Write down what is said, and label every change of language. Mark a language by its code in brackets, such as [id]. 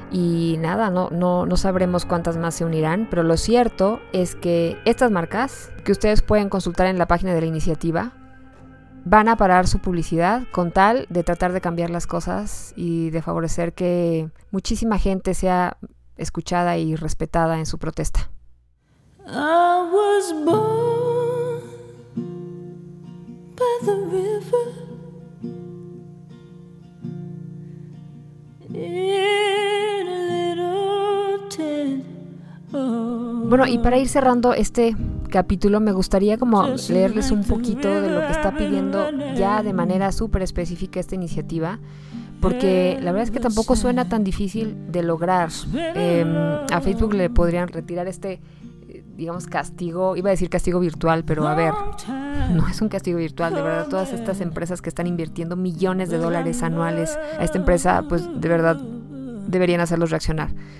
[es] Y nada, no sabremos cuántas más se unirán, pero lo cierto es que estas marcas, que ustedes pueden consultar en la página de la iniciativa, van a parar su publicidad con tal de tratar de cambiar las cosas y de favorecer que muchísima gente sea escuchada y respetada en su protesta. [en] I was born by the river in a little tent. [es] Bueno, y para ir cerrando este capítulo, me gustaría como leerles un poquito de lo que está pidiendo ya de manera súper específica esta iniciativa, porque la verdad es que tampoco suena tan difícil de lograr. A Facebook le podrían retirar este, digamos, castigo, iba a decir castigo virtual, pero a ver, no es un castigo virtual, de verdad, todas estas empresas que están invirtiendo millones de dólares anuales a esta empresa, pues de verdad deberían hacerlos reaccionar.